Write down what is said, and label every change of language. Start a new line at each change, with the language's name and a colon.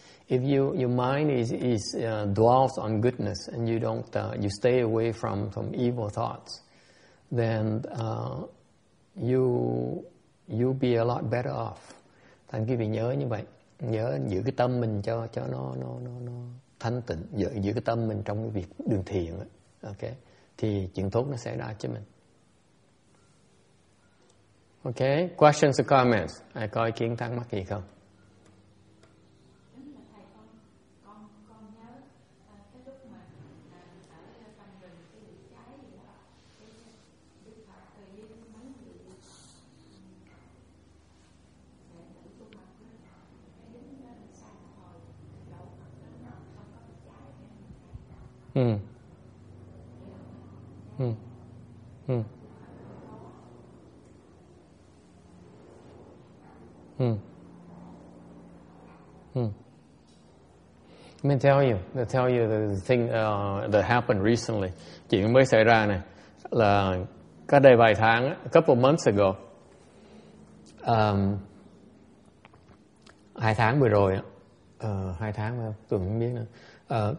English: If your mind is dwells on goodness and you don't you stay away from evil thoughts, then you'll be a lot better off.
Vietnamese: Thành quý vị nhớ như vậy, nhớ giữ cái tâm mình cho nó thanh tịnh, giữ cái tâm mình trong cái việc đường thiện. Okay. Thì chuyện tốt nó sẽ ra cho mình.
English: Ok, questions or comments?
Vietnamese: Ai có ý kiến thắc mắc gì không?
English: Let me tell you. Let me tell you the thing that happened recently.
Vietnamese: Chuyện mới xảy ra này là cách đây vài tháng,
English: a couple months ago.
Vietnamese: Hai tháng vừa rồi, hai tháng tôi không biết nữa.